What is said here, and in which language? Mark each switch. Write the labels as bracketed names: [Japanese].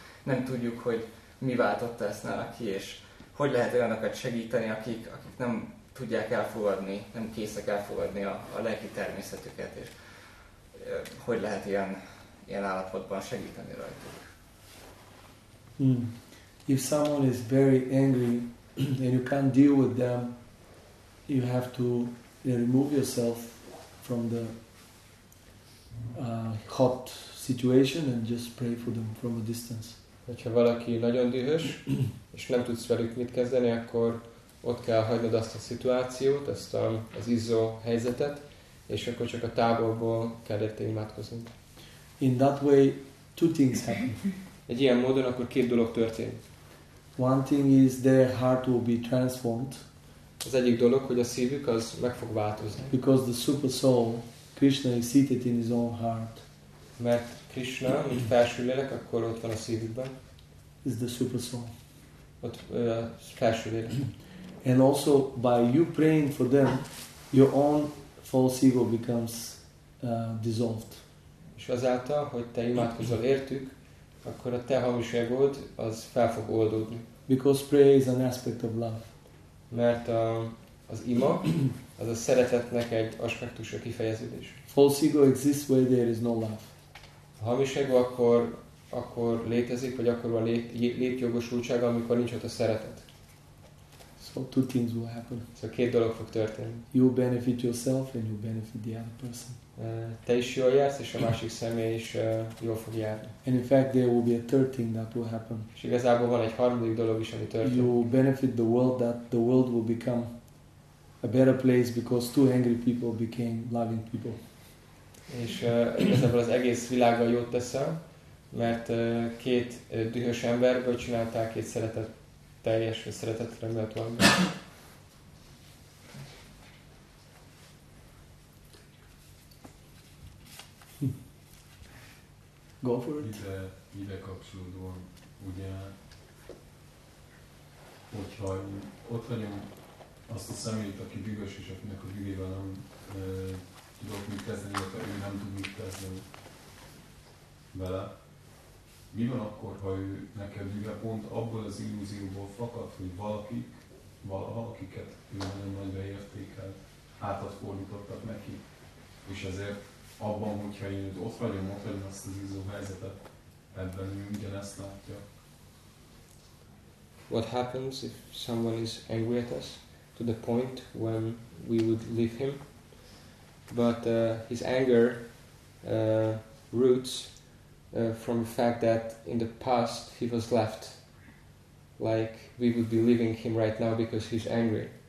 [Hungarian] Nem tudjuk, hogy mi váltotta ezt nála ki, és hogy lehet olyanokat segíteni, akik nem tudják elfogadni, nem készek elfogadni a lelki természetüket, és hogy lehet ilyen állapotban segíteni rajtuk. [English] If someone is very angry and you can't deal with them, you have to remove yourself from the hot situation and just pray for them from a distance. [Hungarian] Hogyha valaki nagyon dühös, és nem tudsz velük mit kezdeni, akkor ott kell hagynod azt a szituációt, ezt az izzó helyzetet, és akkor csak a távolból kell érte imádkozni. [English] In that way, two things happen. [Hungarian] Egy ilyen módon akkor két dolog történik. [English] One thing is their heart will be transformed. [Hungarian] Az egyik dolog, hogy a szívük az meg fog változni. [English] Because the super soul, Krishna is seated in his own heart. [Hungarian] Mert Krishna, mint felső lélek, akkor ott van a szívükben. [English] Is the super soul. [Hungarian] Ott felső lélek. [English] And also by you praying for them, your own false ego becomes dissolved. [Hungarian] És azáltal, hogy te imádkozol értük, akkor a te hamis egód az fel fog oldódni. [English] Because prayer is an aspect of love. [Hungarian] Mert az ima, az a szeretetnek egy aspektus, a kifejeződés. [English] False ego exists where there is no love. [Hungarian] A hamis ego akkor létezik, vagy akkor van létjogosultsága, amikor nincs ott a szeretet. [English] So two things will happen. [Hungarian] Szóval két dolog fog történni. [English] You benefit yourself and you benefit the other person. [Hungarian] Te is jól jársz, és a másik személy is jól fog járni. [English] And in fact, there will be a third thing that will happen. [Hungarian] És igazából van egy harmadik dolog is, ami történik. [English] You benefit the world, that the world will become a better place because two angry people became loving people. [Hungarian] És igazából az egész világgal jót teszel, mert két dühös emberből csináltál két szeretet teljes, vagy szeretet remélt valamit. [English] Go for it. [Hungarian] Ide kapcsolódóan, ugye, hogyha ott vagyunk azt a személyt, aki dühös, és akinek a dühével nem tudok mit kezdeni, illetve ő nem tud mit kezdeni vele, mi van akkor, ha ő nekem dühe pont abból az illúzióból fakad, hogy valakik, valaha, akiket ő nagyon nagy beértékelt, hátat fordítottak neki, és ezért abban, hogyha én ott vagyom azt az izzó helyzetet, ebben ő ugyanezt látja. [English] What happens if someone is angry at us to the point when we would leave him? But his anger roots from the fact that in the past he was left, like we would be leaving him right now because he's angry.